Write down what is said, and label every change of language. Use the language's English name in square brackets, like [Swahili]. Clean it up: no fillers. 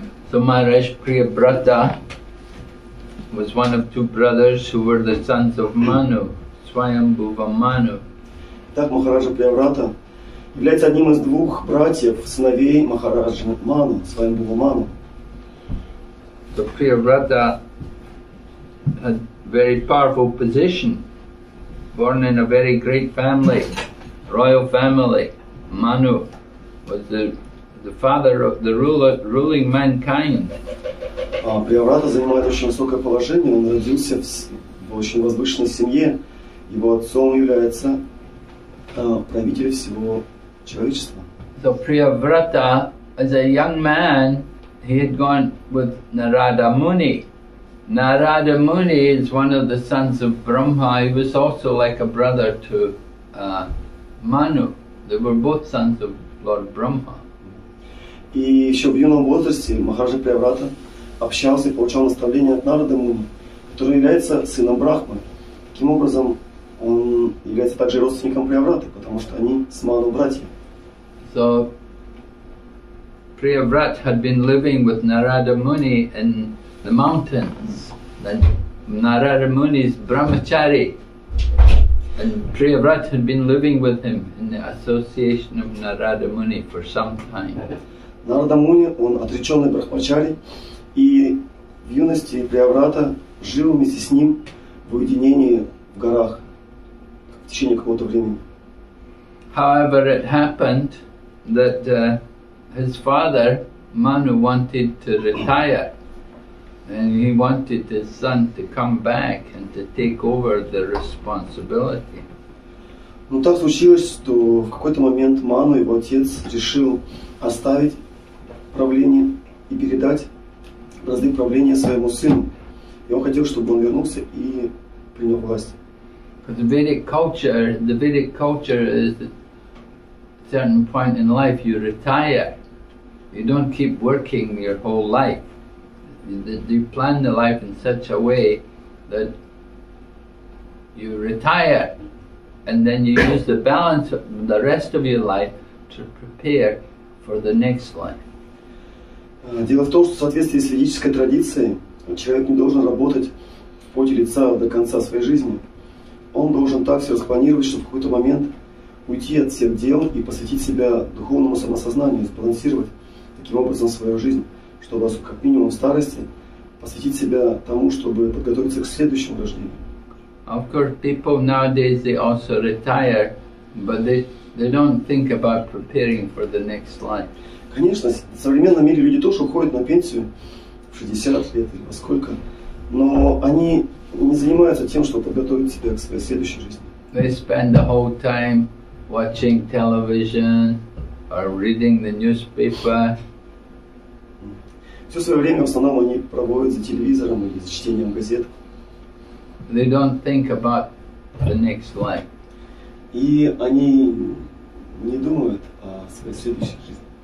[English] So Maharaj Priyabrata was one of two brothers who were the sons of Manu, Swayambhuva Manu. [Russian] Так Махараджа Приаврата является одним из двух братьев, сыновей Махараджа Ману, Свайамбхува Ману. [English] The Priyavrata had very powerful position, born in a very great family, royal family. Manu was the father of the ruling mankind. [Russian] Приаврата занимает очень высокое положение, он родился в очень возвышенной семье, его отцом является правитель всего человечества. [English] So Priyavrata, as a young man, he had gone with Narada Muni. Narada Muni is one of the sons of Brahma. He was also like a brother to Manu. They were both sons of Lord Brahma. [Russian] И еще в юном возрасте Махараджа Приаврата общался и получал наставление от Нарада Муни, который является сыном Брахмы. Таким образом, он является также родственником Приавраты, потому что они с Ману братья. [English] So, Priyavrat had been living with Narada Muni in the mountains. And Narada Muni's brahmachari, and Priyavrat had been living with him in the association of Narada Muni for some time. [Russian] Narada Muni, он отречённый брахмачари, и в юности Priyavrata жил вместе с ним в уединении в горах в течение какого-то времени. [English] However, it happened that his father Manu wanted to retire, and he wanted his son to come back and to take over the responsibility. [Russian] Но так случилось, что в какой-то момент Ману, его отец, решил оставить правление и передать бразды правления своему сыну. И он хотел, чтобы он вернулся и принял власть. [English] Because the Vedic culture is at a certain point in life you retire. You don't keep working your whole life. You plan the life in such a way that you retire, and then you use the balance of the rest of your life to prepare for the next life. [Russian] Дело в том, что в соответствии с ведической традицией человек не должен работать в поте лица до конца своей жизни. Он должен так все распланировать, чтобы в какой-то момент уйти от всех дел и посвятить себя духовному самосознанию, сбалансировать таким образом свою жизнь, чтобы как минимум в старости посвятить себя тому, чтобы подготовиться к следующему рождению. [English] Of course, people nowadays they also retire, but they don't think about preparing for the next life. [Russian] Конечно, в современном мире люди тоже уходят на пенсию в 60 лет или во сколько, но они не занимаются тем, чтобы подготовить себя к своей следующей жизни. [English] They spend the whole time watching television or reading the newspaper. [Russian] Все свое время в основном они проводят за телевизором или за чтением газет. [English] They don't think about the next life. [Russian] И они не думают о своей следующей жизни.